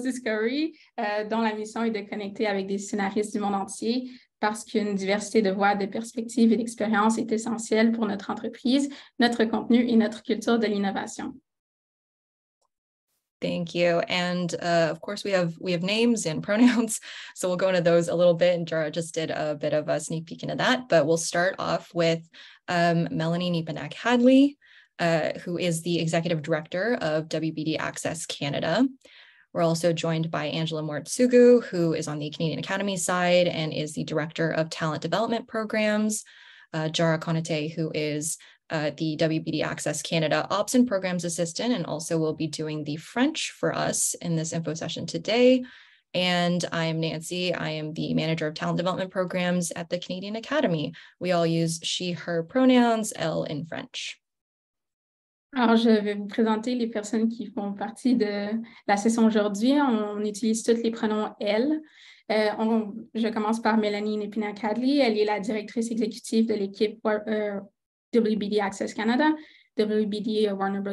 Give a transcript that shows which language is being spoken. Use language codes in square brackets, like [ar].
[fr] Discovery, dont la mission est de connecter avec des scénaristes du monde entier parce qu'une diversité de voix, de perspectives et d'expériences est essentielle pour notre entreprise, notre contenu et notre culture de l'innovation. [en] Thank you. And of course, we have names and pronouns, so we'll go into those a little bit. And Jara just did a bit of a sneak peek into that, but we'll start off with Mélanie Nipanak-Hadley, who is the executive director of WBD Access Canada. We're also joined by Angela Mortsugu, who is on the Canadian Academy side and is the director of talent development programs. Jara Conate, who is the WBD Access Canada ops and programs assistant and also will be doing the French for us in this info session today. And I'm Nancy. I am the manager of talent development programs at the Canadian Academy. We all use she, her pronouns, elle in French. [fr] Alors, je vais vous présenter les personnes qui font partie de la session aujourd'hui. On utilise tous les pronoms elle. Je commence par Mélanie Népina-Cadley. Elle est la directrice exécutive de l'équipe WBD Access Canada, WBD Warner Bros.